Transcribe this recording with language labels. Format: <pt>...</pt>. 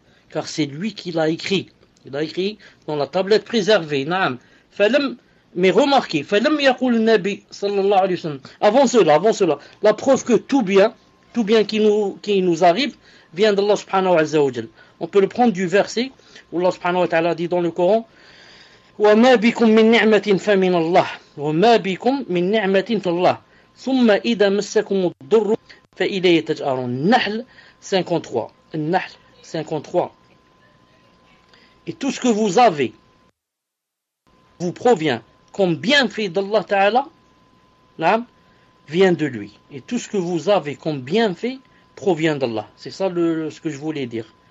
<fr>Car c'est lui qui l'a écrit. Il a écrit dans la tablette préservée. Naam. Mais remarquez,</fr> <ar>falam yaqul nabi</ar> <fr>sallallahu alayhi wa sallam. Avant cela, la preuve que tout bien qui nous arrive, vient d'Allah subhanahu wa azzawajal. On peut le prendre du verset où Allah subhanahu wa ta'ala dit dans le Coran:</fr> <ar>وَمَا بِكُم مِّن نِّعْمَةٍ فَمِنَ اللَّهِ وَمَا بِكُم مِّن نِّعْمَةٍ فَاللَّهِ ثُمَّ إِذَا مَسَّكُمُ الضُّرُّ فَإِلَيْهِ تَجْأَرُونَ. النَّحْل 53. النَّحْل 53.</ar> <fr>Et tout ce que vous avez vous provient comme bienfait d'Allah Ta'ala, l'âme vient de lui. Et tout ce que vous avez comme bienfait provient d'Allah. C'est ça ce que je voulais dire.</fr>